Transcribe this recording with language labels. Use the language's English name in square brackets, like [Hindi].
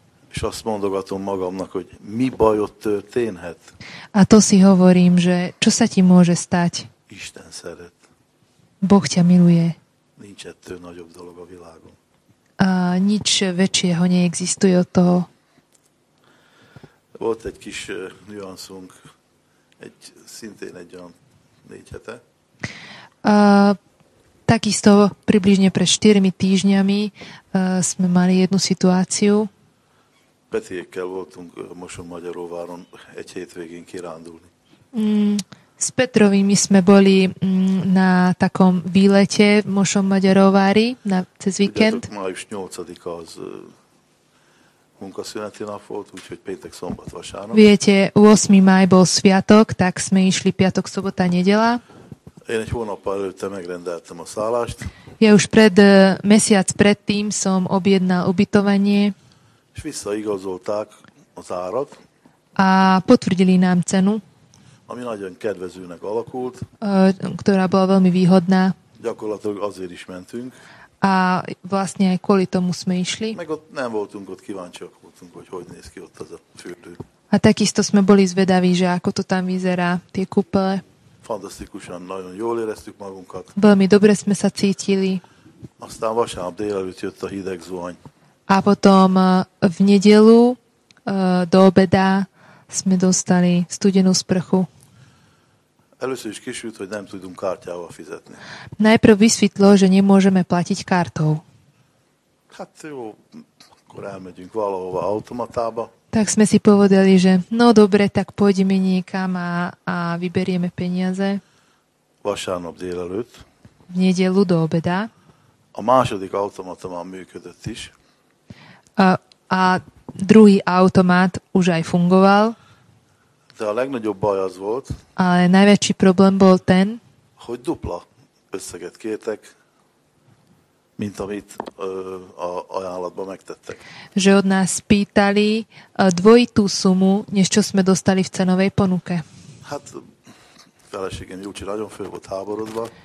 [Hungarian] És azt mondogatom magamnak, hogy mi bajot történhet. [Slovak] A to si hovorím, že čo sa ti môže stať. [Hungarian] Isten szeret. [Slovak] Boh ťa miluje. [Hungarian] Nincs ettől nagyobb dolog a világon. [Slovak] A nič väčšieho neexistuje od toho. [Hungarian] Volt egy kis nüanszunk, szintén egy olyan 4 hete. [Slovak] Takisto približne pred 4 týždňami sme mali jednu situáciu. [Hungarian] Petiékkel voltunk Moson-Magyaróváron egy hétvégén kirándulni. [Slovak] S Petrovými sme boli na takom výlete v Moson-Magyarovári cez víkend. [Hungarian] Május 8. az munkaszüneti nap volt, úgyhogy péntek, szombat, vasárnap. [Slovak] Viete, 8. máj bol sviatok, tak sme išli piatok, sobota, nedela. [Hungarian] Én egy hónappal előtte megrendeltem a szállást. [Slovak] Ja už pred mesiac predtým som objednal ubytovanie. [Hungarian] És visszaigazolták az árat. [Slovak] A potvrdili nám cenu. [Hungarian] Ami nagyon kedvezőnek alakult. [Slovak] Ktorá bola veľmi výhodná. [Hungarian] Gyakorlatilag azért is mentünk. [Slovak] A vlastne aj kvôli tomu sme išli. [Hungarian] Meg ott nem voltunk ott, kíváncsiak voltunk, hogy hogy néz ki ott az a fürdő. [Slovak] A takisto sme boli zvedaví, že ako to tam vyzerá, tie kúpele. [Hungarian] Fantasztikusan, nagyon jól éreztük magunkat. [Slovak] Veľmi dobre sme sa cítili. [Hungarian] Aztán vasárnap délelőtt jött a hideg zuhany. [Slovak] A potom v nedelu do obeda sme dostali studenú sprchu. [Hungarian] Először is kisült, hogy nem tudunk kártyával fizetni. [Slovak] Najprv vysvítlo, že nemôžeme platiť kartou. [Hungarian] Hát jó, akkor elmegyünk valahova automatába. [Slovak] Tak sme si povedali, že no dobre, tak pôjdeme niekam a vyberieme peniaze. [Hungarian] Vasárnap délelőtt. [Slovak] V nedelu do obeda. [Hungarian] A második automata már működött is. [Slovak] A druhý automat už aj fungoval. [Hungarian] De a legnagyobb baj az volt. [Slovak] Ale najväčší problém bol ten. [Hungarian] Hogy dupla összeget kértek, mint amit a ajánlatban megtettek. [Slovak] Že od nás pýtali dvojitú sumu, než čo sme dostali v cenovej ponuke. [Hungarian] Hát, feleségem Júči nagyon fő volt háborodva.